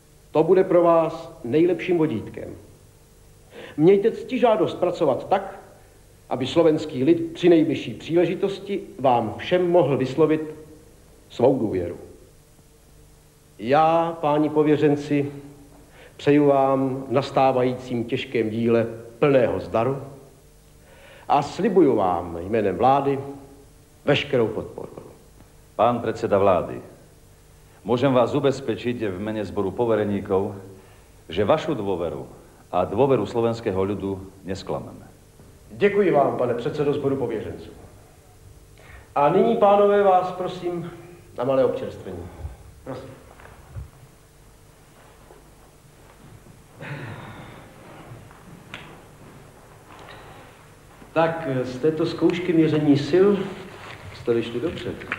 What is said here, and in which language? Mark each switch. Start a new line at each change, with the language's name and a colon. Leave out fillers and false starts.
Czech: To bude pro vás nejlepším vodítkem. Mějte ctižádost pracovat tak, aby slovenský lid při nejbližší příležitosti vám všem mohl vyslovit svou důvěru. Já, páni pověřenci, přeju vám v nastávajícím těžkém díle plného zdaru a slibuju vám jménem vlády veškerou podporu.
Slovak: Pán predseda vlády, môžem vás ubezpečiť v mene zboru povereníkov, že vašu dôveru a dôveru slovenského ľudu nesklameme. Ďakujem vám, pane predsedo zboru poviežencu.
Czech: A nyní, pánové, vás prosím na malé občerstvenie. Prosím. Tak, z této zkoušky měření sil jste vyšli dobře.